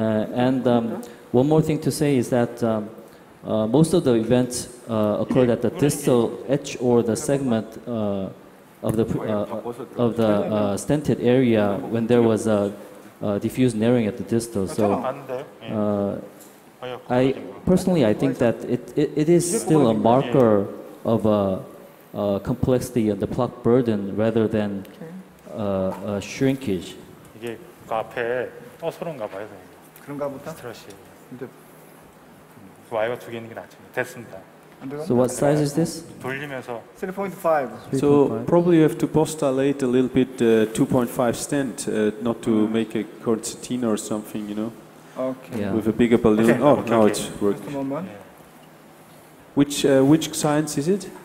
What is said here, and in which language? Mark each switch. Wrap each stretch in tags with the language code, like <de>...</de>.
<en>One more thing to say is that most of the events occurred at the distal edge or the segment of the stented area when there was a diffuse narrowing at the distal. So, I personally think that it is still a marker of a complexity of the plaque burden rather than a shrinkage.</en> <ko>이게 그 앞에 떠서론가 봐요, 선생님. 그런가 보다. 스트레시. 근데 와이가 두 개 있는 게 낫죠. 됐습니다.</ko> <en>So what size is this?</en> <ko>돌리면서</ko> <en>3.5. So probably you have to postulate a little bit 2.5 stent, not to make a concertina or something, you know. Okay. Yeah. With a bigger balloon. Okay. It's working. Just a moment. Which science is it?</en>